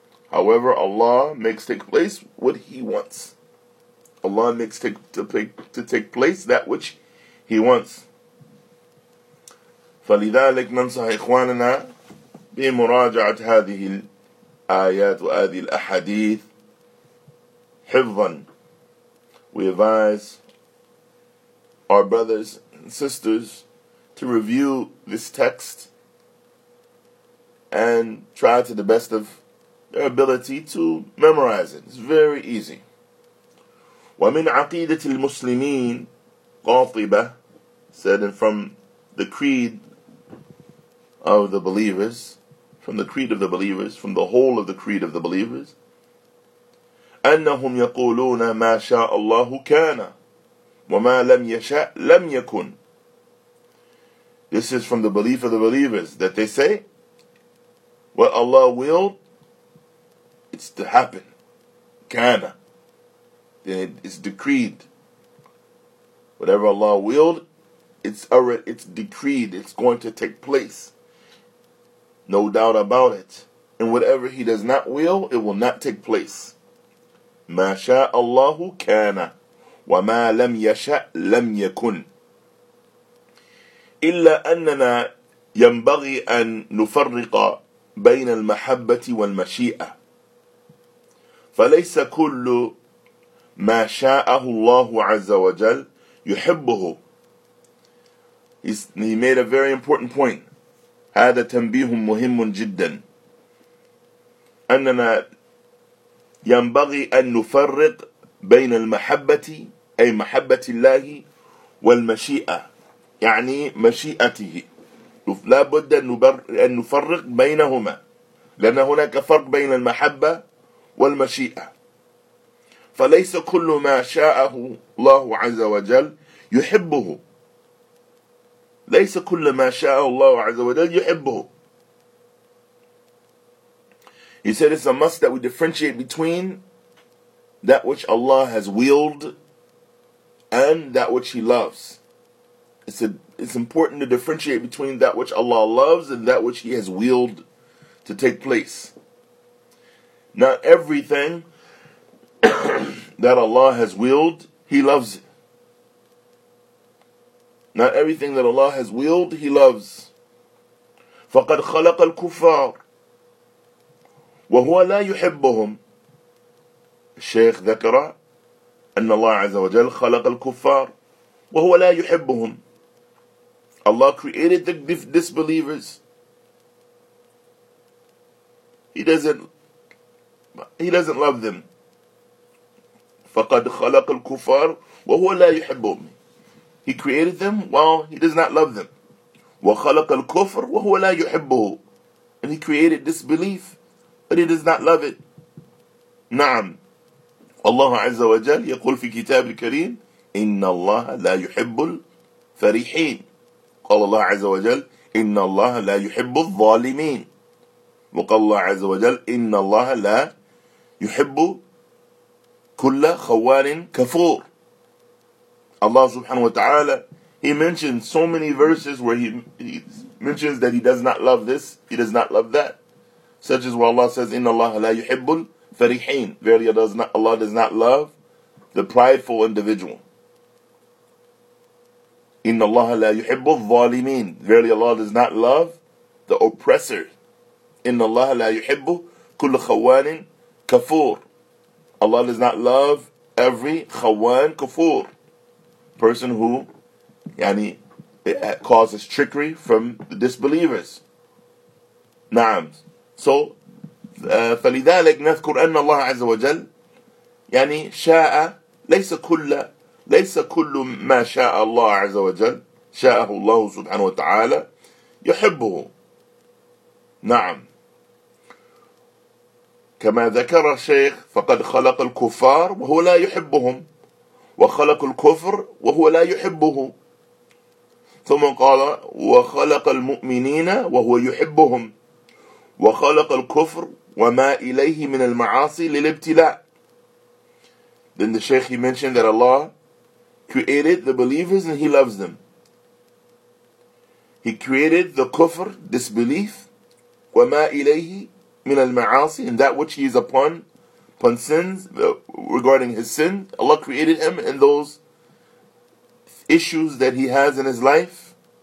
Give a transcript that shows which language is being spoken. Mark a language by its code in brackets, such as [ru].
[en] However, Allah makes take place what He wants. Allah makes take place that which He wants. [ar] فلذلك ننصح إخواننا بمراجعة هذه الآيات وهذه الأحاديث حفظا. [en] We advise our brothers and sisters to review this text and try to the best of their ability to memorize it. It's very easy. [ar] وَمِنْ عَقِيدَةِ الْمُسْلِمِينَ قَاطِبَةً, [en] said, and from the creed of the believers, from the whole of the creed of the believers, [ar] أَنَّهُمْ يَقُولُونَ مَا شَاءَ اللَّهُ كَانَ وَمَا لَمْ يَشَاءَ لَمْ يَكُنْ. [en] This is from the belief of the believers that they say, what Allah willed, it's to happen. [ar] كان. [en] It's decreed. Whatever Allah willed, it's decreed. It's going to take place. No doubt about it. And whatever He does not will, it will not take place. [ar] ما شاء الله كان وما لم يشاء لم يكن. إلا أننا ينبغي أن نفرق بين المحبة والمشيئة. فليس كل ما شاءه الله عز وجل يحبه. [en] He made a very important point. [ar] هذا تنبيه مهم جدا. أننا ينبغي أن نفرق بين المحبة, أي محبة الله, والمشيئة, يعني مشيئته. لا بد أن نفرق بينهما, لأن هناك فرق بين المحبة والمشيئة. فليس كل ما شاءه الله عز وجل يحبه. ليس كل ما شاءه الله عز وجل يحبه. [en] He said it's a must that we differentiate between that which Allah has willed and that which He loves. It's important to differentiate between that which Allah loves and that which He has willed to take place. Not everything that Allah has willed, He loves. Not everything that Allah has willed, He loves. [ar] فَقَدْ خَلَقَ الْكُفَّارِ وَهُوَ لَا يُحِبُّهُمْ. الشيخ ذكر أن الله عز وجل خلق الكفار وهو لا يحبهم. [en] Allah created the disbelievers. He doesn't love them. [ar] فَقَدْ خَلَقَ الْكُفَّارِ وَهُوَ لَا يُحِبُّهُمْ. [en] He created them while He does not love them. [ar] وَخَلَقَ الْكُفْرِ وَهُوَ لَا يُحِبُّهُ. [en] And he created disbelief, but he does not love it. [ar] نعم. الله عز وجل يقول في كتاب الكريم إِنَّ اللَّهَ لَا يُحِبُّ الْفَرِحِينَ. قال الله عز وجل إِنَّ اللَّهَ لَا يُحِبُّ الظَّالِمِينَ. وقال الله عز وجل إِنَّ اللَّهَ لَا يُحِبُّ كُلَّ خَوَّالٍ كَفُورٍ. [en] Allah subhanahu wa ta'ala, he mentions so many verses where he mentions that he does not love this, he does not love that. Such as where Allah says, [ar] إِنَّ اللَّهَ لَا يُحِبُّ الْفَرِحِينَ. [en] Verily Allah does not love the prideful individual. [ar] إِنَّ اللَّهَ لَا يُحِبُّ الظَّالِمِينَ. [en] Verily Allah does not love the oppressor. [ar] إِنَّ اللَّهَ لَا يُحِبُّ كُلَّ خَوَّانٍ كَفُورٍ. [en] Allah does not love every [ar] خَوَّان كَفُورٍ. [en] Person who, yani, it causes trickery from the disbelievers. [ar] Naam. [en] So, [ar] فلذلك نذكر أن الله عز وجل يعني شاء ليس كل ما شاء الله عز وجل شاءه الله سبحانه وتعالى يحبه. نعم. كما ذكر الشيخ فقد خلق الكفار وهو لا يحبهم. وخلق الكفر وهو لا يحبه. ثم قال وخلق المؤمنين وهو يحبهم. وخلق الكفر وما إليه من المعاصي للابتلاء. [en] Then the Shaykh, he mentioned that Allah created the believers and he loves them. He created the kufr, disbelief, [ar] وما إليه من المعاصي, [en] and that which he is upon sins, regarding his sin, Allah created him and those issues that he has in his life.